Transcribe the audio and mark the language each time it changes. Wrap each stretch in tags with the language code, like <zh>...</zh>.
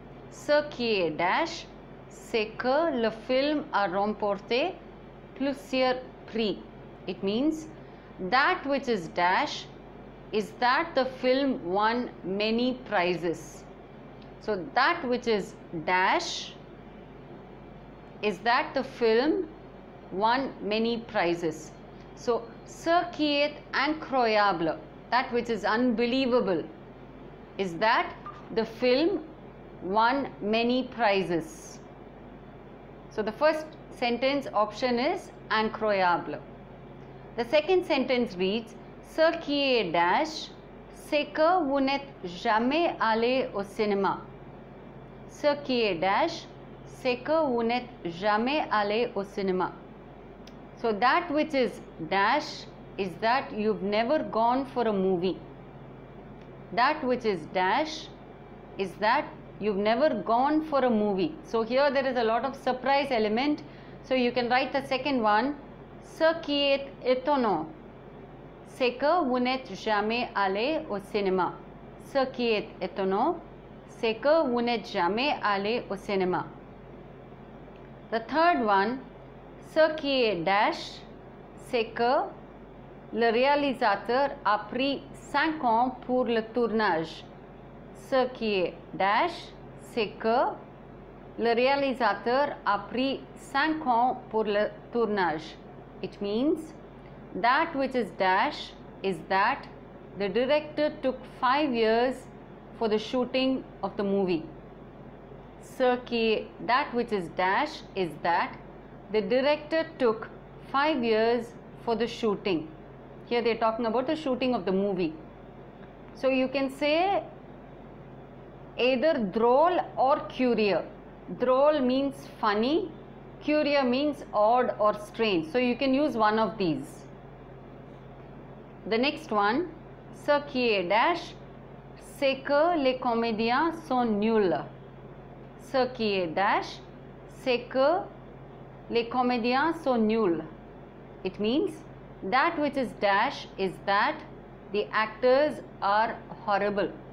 <fr>Ce qui est dash, c'est que le film a remporté plusieurs prix.</fr> <en>It means, that which is dash is that the film won many prizes. So that which is dash is that the film won many prizes. So,</en> <fr>ce qui est incroyable,</fr> <en>that which is unbelievable, is that the film won many prizes. So, the first sentence option is incroyable. The second sentence reads,</en> <fr>ce qui est dash, c'est que vous n'êtes jamais allé au cinéma. Ce qui est dash, c'est que vous n'êtes jamais allé au cinéma.</fr> <en>So that which is dash is that you've never gone for a movie. That which is dash is that you've never gone for a movie. So here there is a lot of surprise element. So you can write the second one.</en> <fr>Ce qui est étonnant, c'est que vous n'êtes jamais allé au cinéma. Ce qui est étonnant, c'est que vous n'êtes jamais allé au cinéma.</fr> <en>The third one,</en> <fr>ce qui est dash, c'est que le réalisateur a pris 5 ans pour le tournage. Ce qui est dash, c'est que le réalisateur a pris 5 ans pour le tournage.</fr> <en>It means, that which is dash is that the director took 5 years for the shooting of the movie.</en> <fr>Ce qui est,</fr> <en>that which is dash is that the director took 5 years for the shooting. Here they are talking about the shooting of the movie. So you can say either drôle or curieux. Drôle means funny, curieux means odd or strange. So you can use one of these. The next one,</en> <fr>ce qui est dash, c'est que les comédiens sont nuls. Ce qui est dash, c'est que les comédiens sont nuls.</fr> <en>It means, that which is dash is that the actors are horrible.</en>